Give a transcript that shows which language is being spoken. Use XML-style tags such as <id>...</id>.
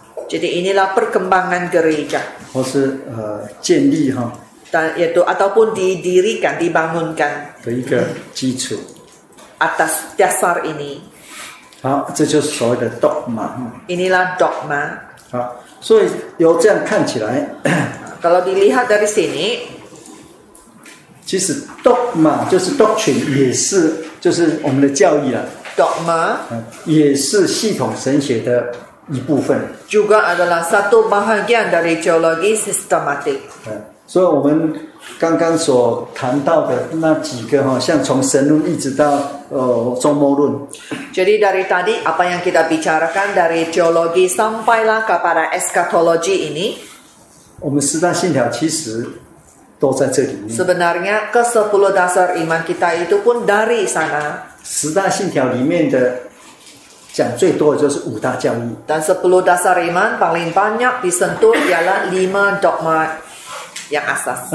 <ms>Jadi inilah perkembangan gereja.</ms> <zh>或是建立哈。</zh> <ms>Dan yaitu ataupun didirikan, dibangunkan.</ms> <zh>的一个基础。</zh> <ms>Atas dasar ini.</ms> <zh>好，这就是所谓的 dogma。</zh> <ms>Inilah dogma。</ms> <zh>好，所以有这样看起来。</zh> <ms>Kalau dilihat dari sini，</ms> <zh>其实 dogma 就是 doctrine， 也是就是我们的教义了。</zh> <ms>Dogma，</ms> <zh>也是系统神学的一部分。</zh> <ms>Juga adalah satu bahagian dari teologi sistematik。</ms> <zh>所以我们刚刚所谈到的那几个像从神论一直到终末论。</zh> <ms>Jadi dari tadi apa yang kita bicarakan dari teologi sampailah kepada eskatologi ini，</ms> <zh>我们十大信条其实都在这里面。</zh> <ms>Sebenarnya ke sepuluh dasar iman kita itu pun dari sana。</ms> <zh>十大信条里面的讲最多的就是五大教义。</zh> <ms>Dan sepuluh dasar iman paling banyak disentuh ialah lima dogma。 Yang asas.</ms>